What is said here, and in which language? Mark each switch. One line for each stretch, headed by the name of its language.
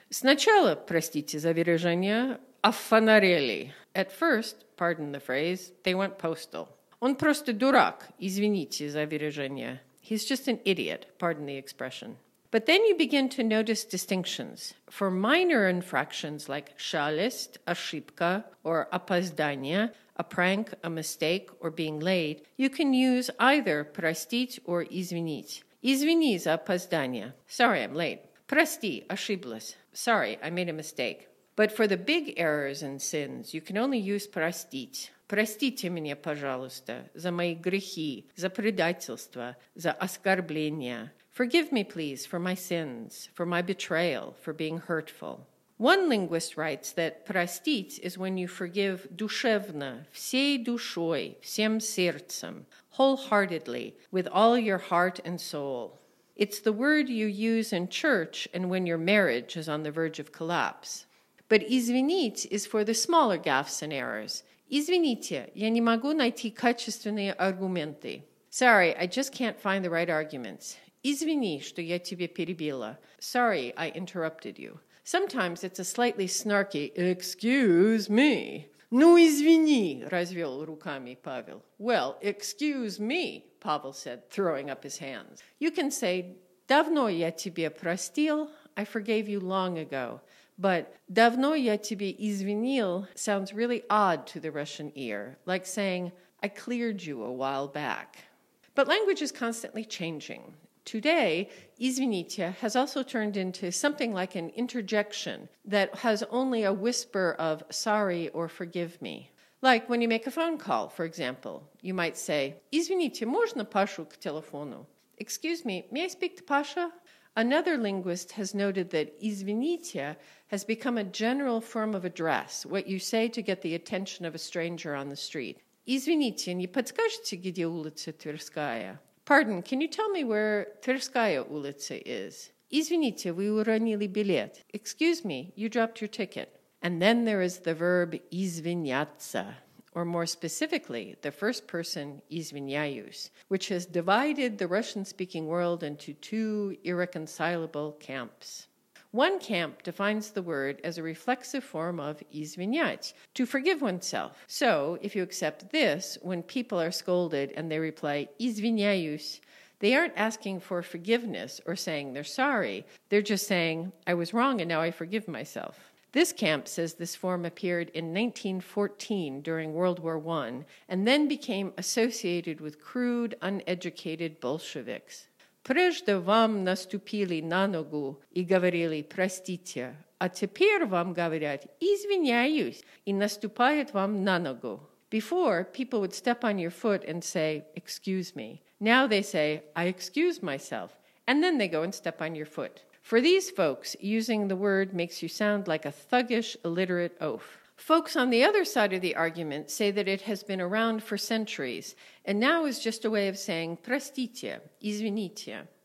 Russian: «Сначала простите за выражение, офонарели».
English: At first, pardon the phrase, they went postal.
Russian: Он просто дурак, извините за выражение.
English: He's just an idiot, pardon the expression. But then you begin to notice distinctions. For minor infractions like
Russian: шалость, ошибка,
English: or
Russian: опоздание,
English: a prank, a mistake, or being late, you can use either простить or извинить.
Russian: Извини за опоздание.
English: Sorry, I'm late.
Russian: Прости, ошиблась.
English: Sorry, I made a mistake. But for the big errors and sins, you can only use простить.
Russian: Простите меня, пожалуйста, за мои грехи, за предательство, за оскорбление.
English: Forgive me, please, for my sins, for my betrayal, for being hurtful. One linguist writes that простить is when you forgive
Russian: душевно, всей душой, всем сердцем,
English: wholeheartedly, with all your heart and soul. It's the word you use in church and when your marriage is on the verge of collapse. But извинить is for the smaller gaffes and errors.
Russian: Извините, я не могу найти качественные аргументы.
English: Sorry, I just can't find the right arguments.
Russian: Извини, что я тебе перебила.
English: Sorry, I interrupted you. Sometimes it's a slightly snarky, excuse me.
Russian: Ну, извини, развел руками Павел.
English: Well, excuse me, Павел said, throwing up his hands. You can say,
Russian: давно я тебе простил,
English: I forgave you long ago. But
Russian: «давно я тебе извинил»
English: sounds really odd to the Russian ear, like saying «I cleared you a while back». But language is constantly changing. Today, «извините» has also turned into something like an interjection that has only a whisper of «sorry» or «forgive me». Like when you make a phone call, for example, you might say
Russian: «извините, можно Пашу к телефону?»
English: «Excuse me, may I speak to Паша?» Another linguist has noted that «извините» has become a general form of address, what you say to get the attention of a stranger on the street.
Russian: «Извините, не подскажете, где улица Тверская?»
English: Pardon, can you tell me where Тверская улица is?
Russian: «Извините, вы уронили билет?»
English: Excuse me, you dropped your ticket. And then there is the verb «извиняться», or more specifically, the first person «извиняюсь», which has divided the Russian-speaking world into two irreconcilable camps. One camp defines the word as a reflexive form of «извинять», to forgive oneself. So, if you accept this, when people are scolded and they reply «извиняюсь», they aren't asking for forgiveness or saying they're sorry. They're just saying, I was wrong and now I forgive myself. This camp says this form appeared in 1914 during World War I and then became associated with crude, uneducated Bolsheviks.
Russian: Прежде вам наступили на ногу и говорили «простите», а теперь вам говорят «извиняюсь» и наступают вам на ногу.
English: Before, people would step on your foot and say «excuse me». Now they say «I excuse myself», and then they go and step on your foot. For these folks, using the word makes you sound like a thuggish, illiterate oaf. Folks on the other side of the argument say that it has been around for centuries, and now is just a way of saying
Russian: prestitie, izvinitie.